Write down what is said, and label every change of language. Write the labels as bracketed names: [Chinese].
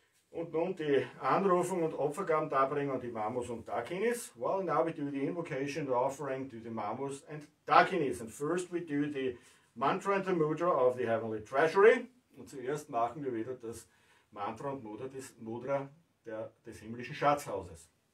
[German] Und Opfergaben darbringen an die Mamos und Dakinis. [English] Well, now we do the invocation, the offering to the Mamos and Dakinis. And first we do the Mantra and the Mudra of the Heavenly Treasury. [German] Und zuerst machen wir wieder das Mantra und Mudra des, des himmlischen Schatzhauses.